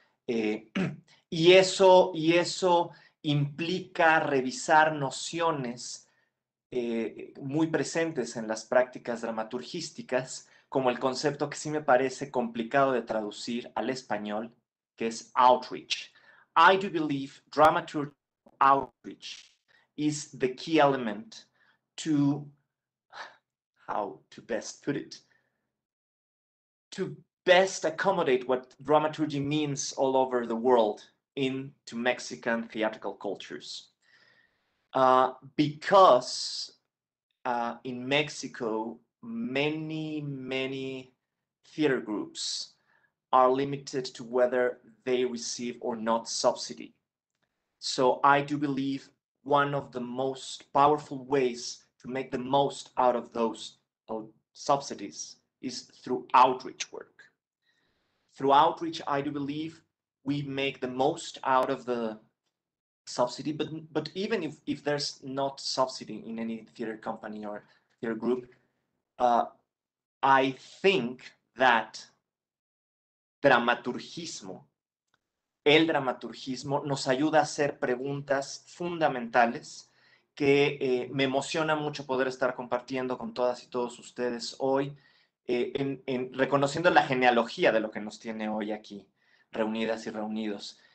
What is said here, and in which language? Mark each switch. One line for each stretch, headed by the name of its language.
Spanish: Y eso implica revisar nociones muy presentes en las prácticas dramaturgísticas, como el concepto que sí me parece complicado de traducir al español, que es outreach.
English: I do believe dramaturgy outreach is the key element to, how to best put it, to best accommodate what dramaturgy means all over the world into Mexican theatrical cultures. Because in Mexico, many, many theater groups are limited to whether they receive or not subsidy. So I do believe one of the most powerful ways to make the most out of those subsidies is through outreach work. Through outreach, I do believe we make the most out of the subsidy, but even if there's not subsidy in any theater company or theater group, I think that dramaturgismo
Spanish: el dramaturgismo nos ayuda a hacer preguntas fundamentales que me emociona mucho poder estar compartiendo con todas y todos ustedes hoy, reconociendo la genealogía de lo que nos tiene hoy aquí, reunidas y reunidos.